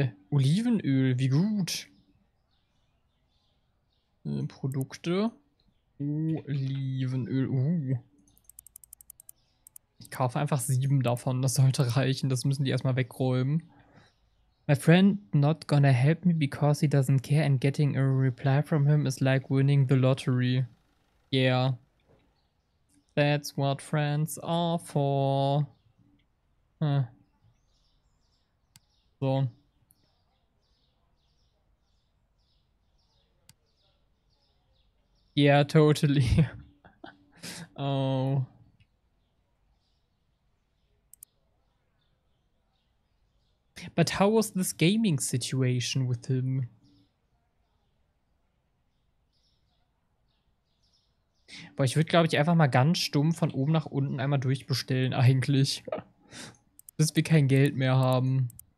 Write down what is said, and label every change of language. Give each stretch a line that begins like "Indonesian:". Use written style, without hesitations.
German: Olivenöl, wie gut. Produkte. Olivenöl, Ich kaufe einfach 7 davon, das sollte reichen. Das müssen die erstmal wegräumen.
English: My friend not gonna help me because he doesn't care and getting a reply from him is like winning the lottery. Yeah. That's what friends are for. So. Yeah, totally. Oh. But how was this gaming situation with him?
German: Boah, ich würde, glaube ich, einfach mal ganz stumm von oben nach unten einmal durchbestellen, eigentlich. Bis wir kein Geld mehr haben.